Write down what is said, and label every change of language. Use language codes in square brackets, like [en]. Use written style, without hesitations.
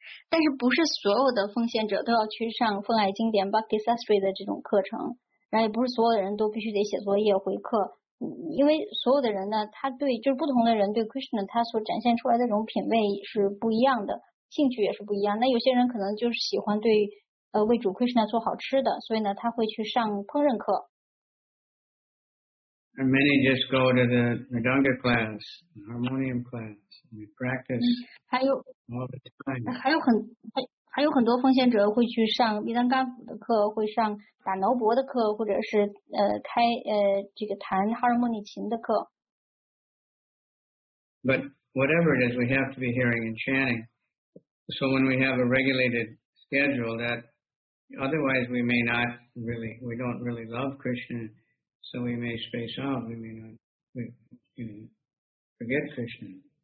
[zh] 但是不是所有的奉献者都要去上奉爱经典 Bhakti Sastri 的这种课程，然后也不是所有的人都必须得写作业回课，因为所有的人呢，他对就是不同的人对 Krishna 他所展现出来的这种品味是不一样的，兴趣也是不一样。那有些人可能就是喜欢对为主 Krishna 做好吃的，所以呢他会去上烹饪课。 [en] And many just go to the Madanga class, the harmonium class, and they practice all the time. [zh] 还有很多奉献者会去上弥当甘府的课，会上打挠钹的课，或者是这个弹哈尔莫尼琴的课。 [en] But whatever it is, we have to be hearing and chanting. So when we have a regulated schedule, that otherwise we may not really, we don't really love Krishna. So we may space out, we may not forget Krishna.